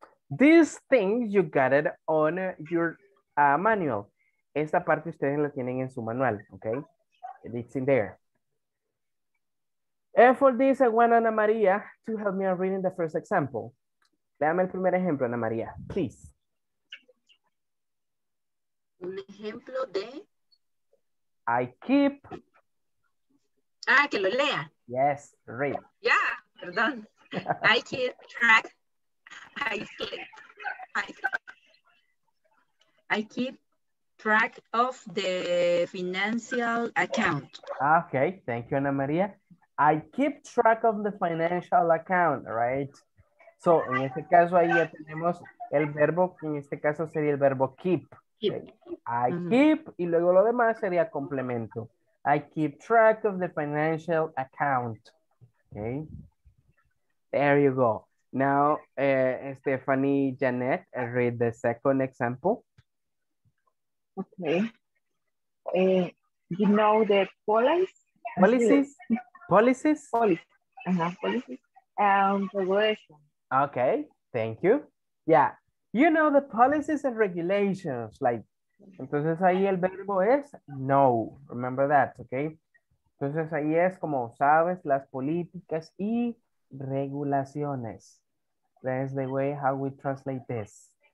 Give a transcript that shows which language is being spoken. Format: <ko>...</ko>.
<en>These things you got it on your manual.</en> <es>Esta parte ustedes la tienen en su manual.</es> <en>Okay, it's in there. And for this, I want Ana María to help me read the first example.</en> <es>Dame el primer ejemplo, Ana María, please. Un ejemplo de...</es> <en>I keep...</en> <es>Ah, que lo lea.</es> <en>Yes, read. Yeah, perdón. I keep track. I keep track of the financial account. Okay, thank you, Ana María. I keep track of the financial account, right?</en> <es>So, en este caso, ahí ya tenemos el verbo, en este caso sería el verbo keep. Okay?</es> <en>I keep,</en> <es>y luego lo demás sería complemento.</es> <en>I keep track of the financial account. Okay? There you go. Now, Stephanie, Janet, read the second example. Okay. You know the policies? Policies? Policies and regulations. Okay, thank you. Yeah, you know the policies and regulations, like,</en> <es>entonces ahí el verbo es know, remember</es> <en>that, okay?</en> <es>Entonces ahí es como sabes las políticas y regulaciones.</es> <en>That is the way how we translate this.</en>